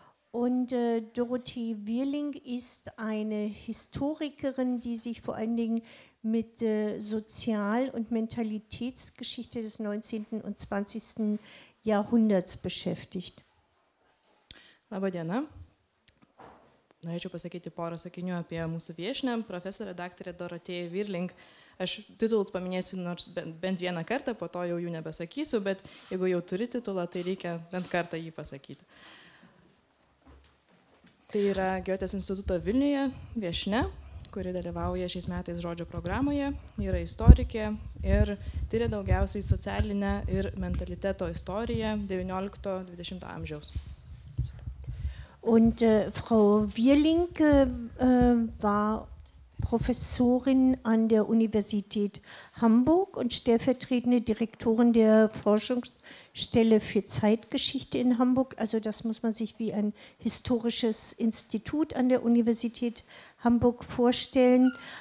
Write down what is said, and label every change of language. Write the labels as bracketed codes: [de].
[de] Und Dorothee Wirling ist eine Historikerin, die sich vor allen Dingen mit Sozial- und Mentalitätsgeschichte des 19. und 20. Jahrhunderts beschäftigt. [lt] Labą dieną. Norėčiau pasakyti porą sakinių apie mūsų viešnę, profesorę daktarę Dorothee Wirling. Aš titulus paminėsiu nors bent vieną kartą, po to jau jų nebesakysiu, bet jeigu jau turi titulą, tai reikia bent kartą jį pasakyti. Tai yra Goethės instituto Vilniuje viešnė, kuri dalyvauja šiais metais žodžio programoje, yra istorikė ir tyrė daugiausiai socialinę ir mentaliteto istoriją 19-20 amžiaus. [de] Und Frau Wirling war Professorin an der Universität Hamburg und stellvertretende Direktorin der Forschungsstelle für Zeitgeschichte in Hamburg. Also das muss man sich wie ein historisches Institut an der Universität Hamburg vorstellen.